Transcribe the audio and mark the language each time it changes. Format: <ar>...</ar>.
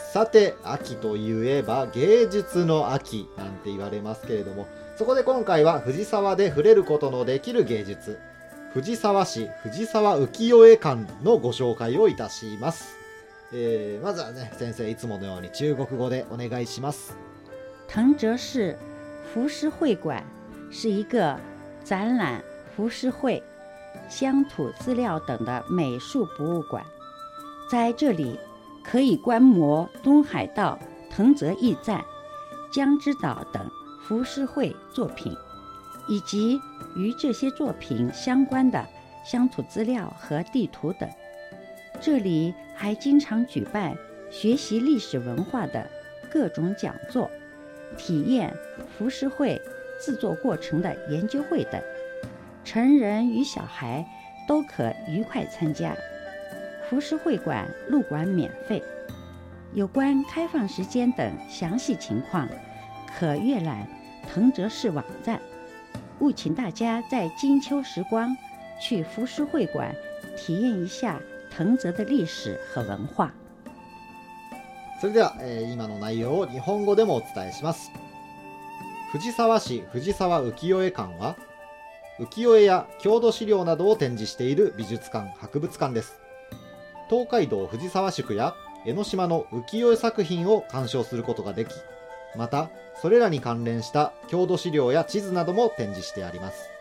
<ja>さて、秋といえば芸術の秋なんて言われますけれども、そこで今回は藤沢で触れることのできる芸術、藤沢市藤沢浮世絵館のご紹介をいたします。まずはね、先生いつものように中国語でお願いします。</ja> <zh>藤沢市浮世絵館是一个展览浮世绘、乡土资料等的美术博物馆，在这里可以观摩东海道藤泽驿站、江之岛等浮世绘作品，以及与这些作品相关的乡土资料和地图等。这里还经常举办学习历史文化的各种讲座，体验浮世绘制作过程的研究会等，成人与小孩都可愉快参加。浮世绘馆入馆免费，有关开放时间等详细情况可阅览藤泽市网站。务请大家在金秋时光去浮世绘馆体验一下藤泽的历史和文化。</zh> <ja>それでは、今の内容を日本語でもお伝えします。藤沢市藤沢浮世絵館は浮世絵や郷土資料などを展示している美術館、博物館です。東海道藤沢宿や江ノ島の浮世絵作品を鑑賞することができ、またそれらに関連した郷土資料や地図なども展示してあります。</ja>